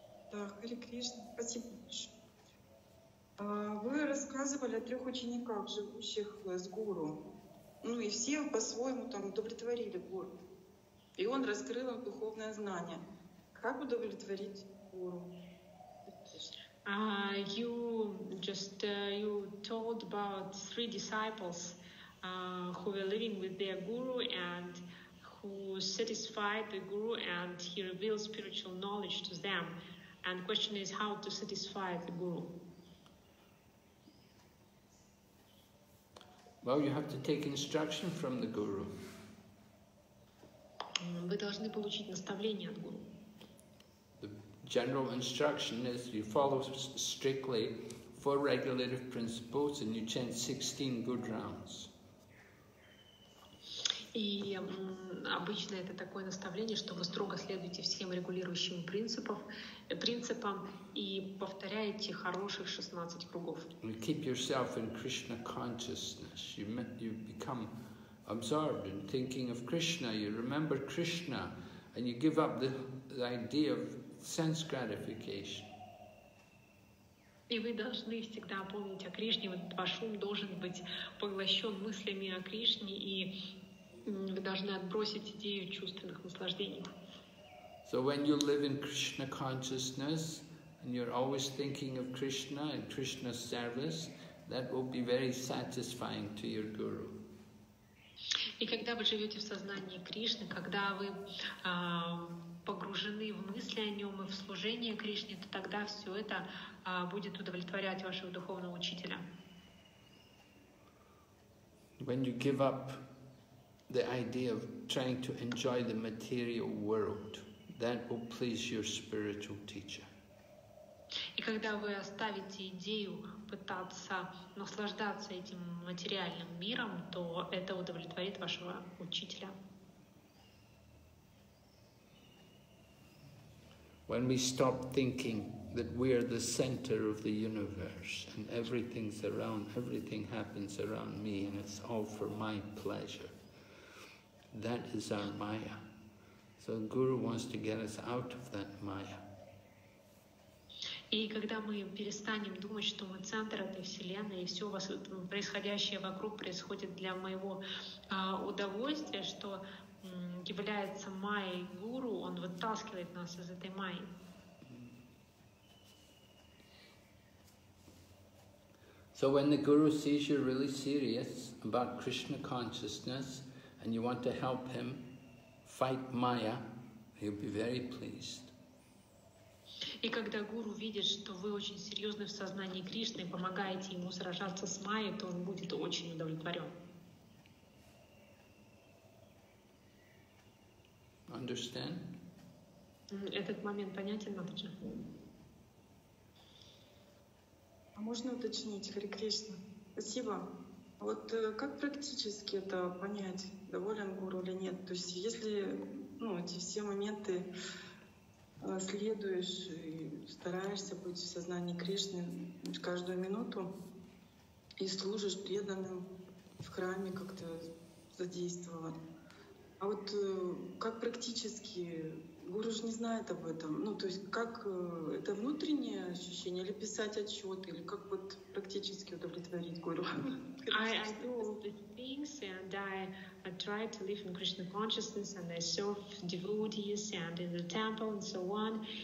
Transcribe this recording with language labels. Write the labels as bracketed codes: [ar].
[ru] Да, Хари Кришна, спасибо большое. Вы рассказывали о трех учениках, живущих с гуру. Ну и все по-своему там удовлетворили гуру. И он раскрыл им духовное знание. Как удовлетворить гуру? [en] You told about three disciples who were living with their guru and who satisfied the guru, and he revealed spiritual knowledge to them. And question is how to satisfy the guru. Well, you have to take instruction from the guru. [ru] Вы должны получить наставление от гуру. [en] General instruction is you follow strictly four regulative principles and you chant 16 good rounds. [ru] И обычно это такое наставление, что вы строго следуете всем регулирующим принципам и повторяете хороших 16 кругов. [en] You keep yourself in Krishna consciousness. You become absorbed in thinking of Krishna. You remember Krishna and you give up the idea of sense gratification. [ru] И вы должны всегда помнить о Кришне. Ваш ум должен быть поглощен мыслями о Кришне, и вы должны отбросить идею чувственных наслаждений. [en] So when you live in Krishna consciousness and you're always thinking of Krishna and Krishna's service, that will be very satisfying to your guru. [ru] И когда вы живете в сознании Кришны, когда вы погружены в мысли о нем и в служение Кришне, то тогда все это будет удовлетворять вашего духовного учителя. [en] When you give up the idea of trying to enjoy the material world, that will please your spiritual teacher. [ru] И когда вы оставите идею пытаться наслаждаться этим материальным миром, то это удовлетворит вашего учителя. [en] When we stop thinking that we are the center of the universe and everything's around, everything happens around me and it's all for my pleasure, that is our Maya. So the Guru wants to get us out of that Maya. [ru] И когда мы перестанем думать, что мы центр этой вселенной и все происходящее вокруг происходит для моего удовольствия, что является Майей Гуру, он вытаскивает нас из этой Майи. [en] So when the Guru sees you're really serious about Krishna consciousness and you want to help him fight Maya, he'll be very pleased. [ru] И когда Гуру видит, что вы очень серьезны в сознании Кришны, помогаете ему сражаться с Майей, то он будет очень удовлетворен. [en] Understand? [ru] Этот момент понятен, Матаджи? А можно уточнить, Хари Кришна? Спасибо. Вот как практически это понять, доволен гуру или нет? То есть если эти все моменты следуешь и стараешься быть в сознании Кришны каждую минуту и служишь преданным в храме как-то задействован. А вот как практически, гуру же не знает об этом. Это внутреннее ощущение, или писать отчет, или как вот практически удовлетворить гуру? [en] I do all the things, and I try to live in Krishna consciousness, and I serve devotees, and in the temple, and so on.